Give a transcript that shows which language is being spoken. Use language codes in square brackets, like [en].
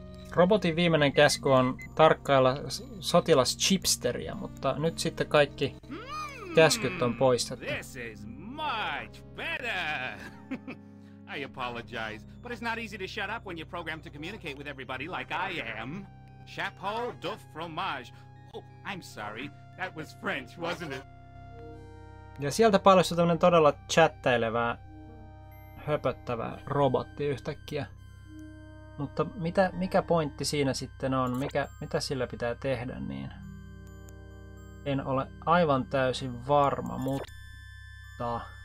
[fi] Robotin viimeinen käsky on tarkkailla sotilas Chipsteria, mutta nyt sitten kaikki käskyt on poistettu. [en] This is much better. I apologize, but it's not easy to shut up when you're programmed to communicate with everybody like I am. [fr] Chapeau de fromage. [en] Oh, I'm sorry. That was French, wasn't it? [fi] Ja sieltä paljastui tämmönen todella chattailevä, höpöttävä robotti yhtäkkiä. Mutta mikä pointti siinä sitten on, mitä sillä pitää tehdä, niin en ole aivan täysin varma, mutta...